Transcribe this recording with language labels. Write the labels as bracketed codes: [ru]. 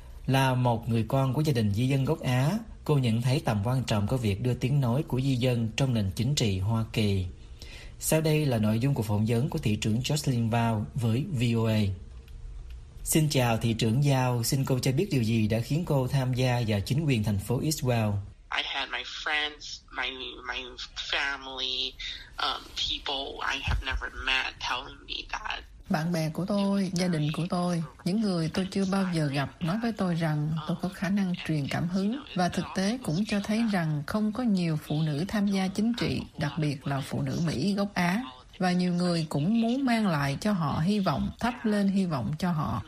[vi] Là một người con của gia đình di dân gốc Á, cô nhận thấy tầm quan trọng của việc đưa tiếng nói của di dân trong nền chính trị Hoa Kỳ. Sau đây là nội dung của phỏng vấn của thị trưởng Jocelyn Vào với VOA. Xin chào thị trưởng Giao, xin cô cho biết điều gì đã khiến cô tham gia vào chính quyền thành phố Eastwell. [en] I had my friends, my family, people I have never met telling me that. [vi] Bạn bè của tôi, gia đình của tôi, những người tôi chưa bao giờ gặp nói với tôi rằng tôi có khả năng truyền cảm hứng và thực tế cũng cho thấy rằng không có nhiều phụ nữ tham gia chính trị, đặc biệt là phụ nữ Mỹ gốc Á. Và nhiều người cũng muốn mang lại cho họ hy vọng, thắp lên hy vọng cho họ.